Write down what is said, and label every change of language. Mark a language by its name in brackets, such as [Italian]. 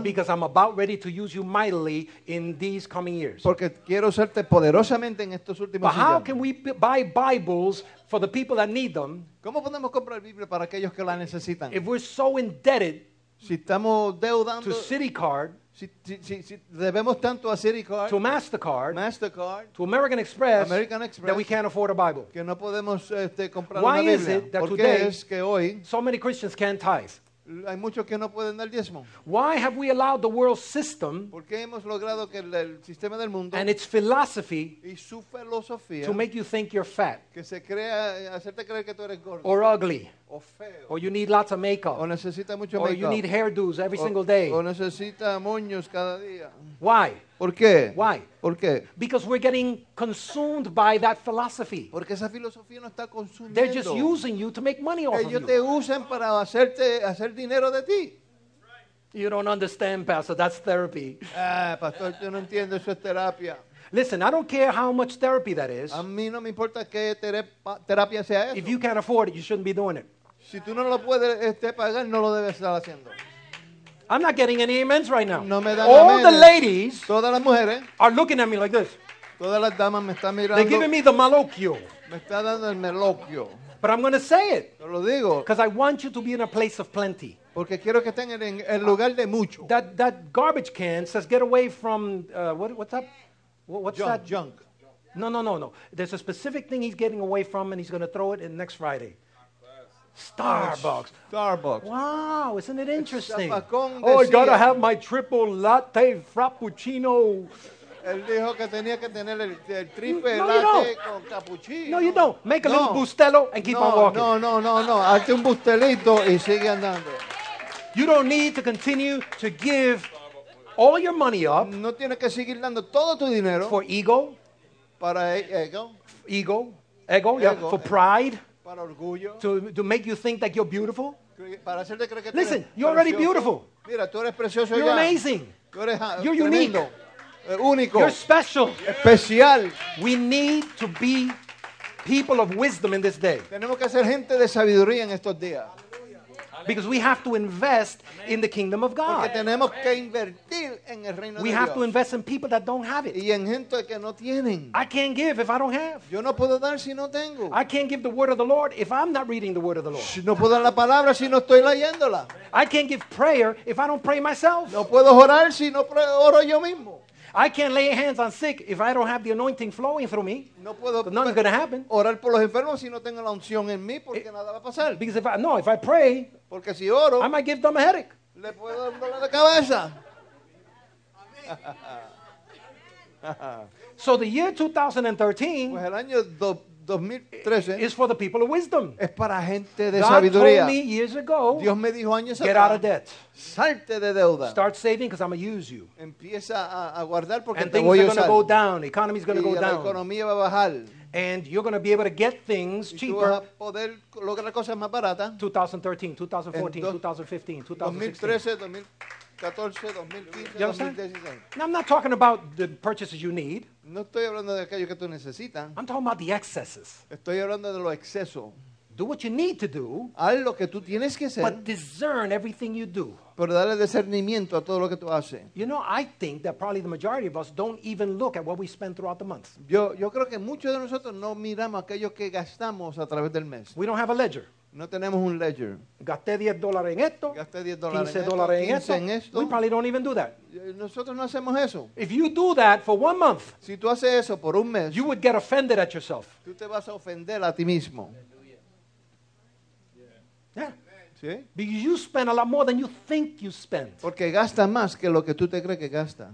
[English] Because I'm about ready to use you mightily in these coming years. [Spanish] Porque quiero usarte poderosamente en estos últimos años. [English] But how can we buy Bibles for the people that need them? [Spanish] ¿Cómo podemos comprar Biblia para aquellos que la necesitan? [English] If we're so indebted, [Spanish] si estamos deudando, [English] to Citicard, [Spanish] si debemos tanto a Citicard, [English] to Mastercard, [Spanish] Mastercard, [English] to American Express, [Spanish] American Express, [English] that we can't afford a Bible. [Spanish] Que no podemos, comprar [English] Why [Spanish] una Biblia? [English] Is it that [Spanish] Porque [English] today [Spanish] es que hoy, [English] so many Christians can't tithe? [Spanish] Hay muchos que no pueden dar diezmo. [English] Why have we allowed the world system, [Spanish] porque hemos logrado que el sistema del mundo, [English] and its philosophy, [Spanish] y su filosofía, [English] to make you think you're fat, [Spanish] que se crea, hacerte creer que tú eres gordo, [English] or ugly, [Spanish] o feo. [English] Or you need lots of makeup. [Spanish] O necesita mucho [English] or [Spanish] makeup. [English] You need hairdos every single day. [Spanish] O necesita moños cada día. [English] Why? [Spanish] ¿Por qué? [English] Why? [Spanish] ¿Por qué? [English] Because we're getting consumed by that philosophy. [Spanish] Porque esa filosofía no está consumiendo. [English] They're just using you to make money off [Spanish] ellos [English] of you. [Spanish] Te usen para hacer dinero de ti. [English] You don't understand, Pastor. That's therapy. [Spanish] Pastor, yo no entiendo, eso es terapia. [English] Listen, I don't care how much therapy that is. [Spanish] A mí no me importa qué terapia sea eso. [English] If you can't afford it, you shouldn't be doing it. [Spanish] Si tú no lo puedes pagar, no lo debes estar haciendo. [English] I'm not getting any amens right now. [Spanish] No me dan [English] all [Spanish] amenes. [English] The ladies, [Spanish] todas las mujeres, [English] are looking at me like this. [Spanish] Todas las damas me están mirando. [English] They're giving me the maloquio. [Spanish] Me está dando el meloquio. [English] But I'm going to say it. [Spanish] Yo lo digo. [English] Because I want you to be in a place of plenty. [Spanish] Porque quiero que estén en el lugar de mucho. [English] That garbage can says get away from what's up? What's junk, that junk? No. There's a specific thing he's getting away from, and he's going to throw it in next Friday. Starbucks. Wow, isn't it interesting? Oh, I gotta have my triple latte frappuccino. [Spanish] Él dijo que tenía que tener el triple latte con cappuccino. [English] No, you don't. Make a little bustelo and keep on walking. [Spanish] No. Hazte un bustelito y sigue andando. [English] You don't need to continue to give all your money up. [Spanish] No tiene que seguir dando todo tu dinero. [English] For ego. [Spanish] Para ego. [English] Ego. Ego, yeah. Ego. For pride. [Spanish] Para orgullo. [English] To make you think that you're beautiful. [Spanish] Para hacerte creer que [English] listen, [Spanish] eres [English] you're already beautiful. [Spanish] Mira, tú eres precioso [English] you're [Spanish] ya. [English] Amazing. [Spanish] Tú eres [English] you're [Spanish] tremendo. [English] Unique. [Spanish] Único. [English] You're special. [Spanish] Yeah. Especial. [English] We need to be people of wisdom in this day. [Spanish] Tenemos que ser gente de sabiduría en estos días. [English] Because we have to invest in the kingdom of God. [Spanish] Porque tenemos que invertir en el reino de Dios. [English] We have to invest in people that don't have it. [Spanish] Y en gente que no tienen. [English] I can't give if I don't have. [Spanish] Yo no puedo dar si no tengo. [English] I can't give the word of the Lord if I'm not reading the word of the Lord. [Spanish] No puedo dar la palabra si no estoy leyéndola. [English] I can't give prayer if I don't pray myself. [Spanish] No puedo orar si no oro yo mismo. [English] I can't lay hands on sick if I don't have the anointing flowing through me. [Spanish] No puedo [English] nothing's going to happen. [Spanish] Orar por los enfermos si no tengo la unción en mí porque nada va a pasar. [English] Because if I pray, [Spanish] porque si oro, [English] I might give them a headache. [Spanish] Le puedo dar dolor de cabeza. [English] So the year 2013, [Spanish] pues el año 2013 [English] is for the people of wisdom. [Spanish] Es para gente de [English] God [Spanish] sabiduría. [English] Told me years ago, [Spanish] Dios me dijo años [English] get [Spanish] atrás, [English] out of debt. [Spanish] Salte de deuda. [English] Start saving because I'm going to use you. [Spanish] Empieza a guardar porque [English] and [Spanish] te [English] things [Spanish] voy [English] are going to go down. The economy is going to go down. [Spanish] La economía va a bajar. [English] And you're going to be able to get things cheaper. [Spanish] Y tú vas a poder lograr cosas más baratas. [English] 2013, 2014, 2015, 2016. 2015, now, I'm not talking about the purchases you need. [Spanish] No estoy hablando de aquello que tú necesitas. [English] I'm talking about the excesses. [Spanish] Estoy hablando de lo exceso. [English] Do what you need to do. [Spanish] Haz lo que tú tienes que hacer. [English] But discern everything you do. [Spanish] Pero darle discernimiento a todo lo que tú haces. [English] You know, I think that probably the majority of us don't even look at what we spend throughout the month. [Spanish] Yo creo que muchos de nosotros no miramos aquello que gastamos a través del mes. [English] We don't have a ledger. [Spanish] No tenemos un ledger. Gasté $10 en esto. Gasté $10 en esto. $15 en esto. [English] We probably don't even do that. [Spanish] Nosotros no hacemos eso. [English] If you do that for one month, [Spanish] si tú haces eso por un mes, [English] you would get offended at yourself. [Spanish] Tú te vas a ofender a ti mismo. [English] Yeah. [Spanish] ¿Sí? [English] Because you spend a lot more than you think you spend. [Spanish] Porque gasta más que lo que tú te crees que gasta.